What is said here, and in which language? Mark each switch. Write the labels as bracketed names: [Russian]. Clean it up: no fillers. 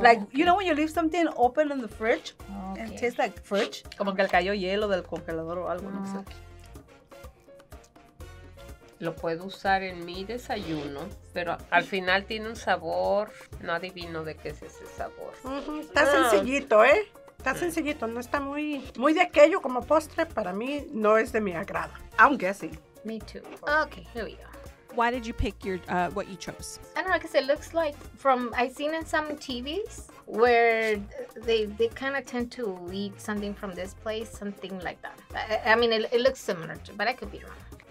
[English] like, okay. You know when you leave something open in the fridge? Okay. And it tastes like fridge. [Spanish] Como que le cayó hielo del congelador o algo, no sé. Lo puedo usar en mi desayuno, pero al final tiene un sabor. No adivino de qué es ese sabor. Está sencillito, ¿eh? Está sencillito. No está muy, muy de aquello como postre. Para mí no es de mi agrado. [English] I'm guessing. Me too. Okay, here we go. Why did you pick your what you chose? I don't know, because it looks like from, I've seen in some TVs where they kind of tend to eat something from this place, something like that. I mean, it looks similar, to, but I could be wrong.